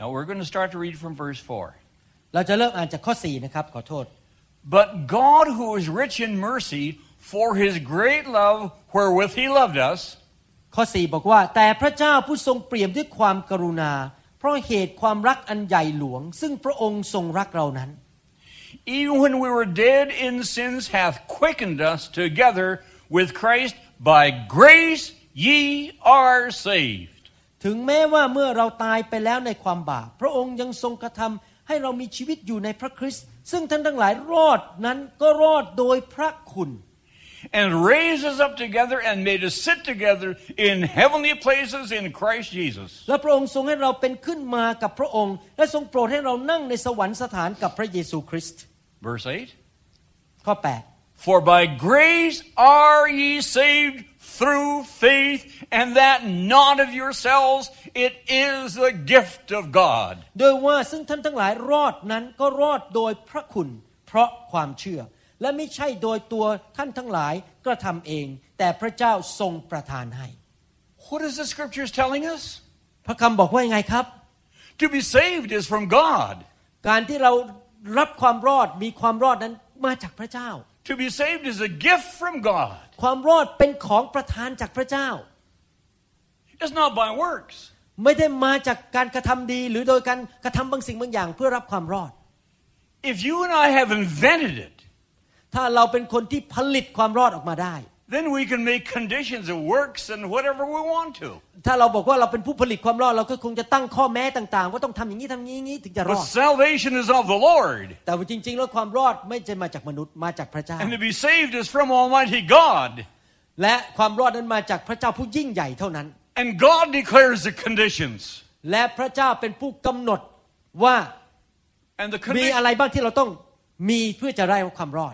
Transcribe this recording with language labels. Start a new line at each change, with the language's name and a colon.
English: Now we're going to start to read from verse 4.
Thai: เราจะเริ่มอ่านจากข้อ4นะครับขอโทษ
English: But God who is rich in mercy for his great love wherewith he loved us
Thai: ข้อ4บอกว่าแต่พระเจ้าผู้ทรงเปี่ยมด้วยความกรุณาเพราะเหตุความรักอันใหญ่หลวงซึ่งพระองค์ทรงรักเรานั้น
English: Even when we were dead in sins hath quickened us together with Christ by grace ye are saved
Thai: ถึงแม้ว่าเมื่อเราตายไปแล้วในความบาปพระองค์ยังทรงกระทำให้เรามีชีวิตอยู่ในพระคริสต์ซึ่งท่านทั้งหลายรอดนั้นก็รอดโดยพระคุณ
English: And raised us up together and made us sit together in heavenly places in Christ Jesus
Thai: และพระองค์ทรงให้เราเป็นขึ้นมากับพระองค์และทรงโปรดให้เรานั่งในสวรรคสถานกับพระเยซูคริสต์
English: Verse 8
Thai: ข้อ8
English: For by grace are ye savedThrough faith, and that not of yourselves, it is the gift of God.
Thai: โดยว่าซึ่งท่านทั้งหลายรอดนั้นก็รอดโดยพระคุณเพราะความเชื่อและไม่ใช่โดยตัวท่านทั้งหลายกระทำเองแต่พระเจ้าทรงประทานให้
English: What is the scriptures telling us?
Thai: พระคำบอกว่าไงครับ
English: To be saved is from God.
Thai: การที่เรารับความรอดมีความรอดนั้นมาจากพระเจ้า
English: To be saved is a gift from God.
Thai: ความรอดเป็นของประทานจากพระเจ้า
English: It's not by works.
Thai: ไม่ได้มาจากการกระทำดีหรือโดยการกระทำบางสิ่งบางอย่างเพื่อรับความรอด
English: If you and I have invented it,
Thai: ถ้าเราเป็นคนที่ผลิตความรอดออกมาได้
English: then we can make conditions of works and whatever we want to.
Thai: ถ้าเราบอกว่าเราเป็นผู้ผลิตความรอดเราก็คงจะตั้งข้อแม้ต่างๆว่าต้องทำอย่างนี้ทำอย่างนี้ถึงจะรอด
English: But salvation is of the Lord.
Thai: แต่จริงๆแล้วความรอดไม่ใช่มาจากมนุษย์มาจากพระเจ้า
English: And to be saved is from Almighty God.
Thai: และความรอดนั้นมาจากพระเจ้าผู้ยิ่งใหญ่เท่านั้น
English: And God declares the conditions.
Thai: และพระเจ้าเป็นผู้กำหนดว่ามีอะไรบ้างที่เราต้องมีเพื่อจะได้ความรอด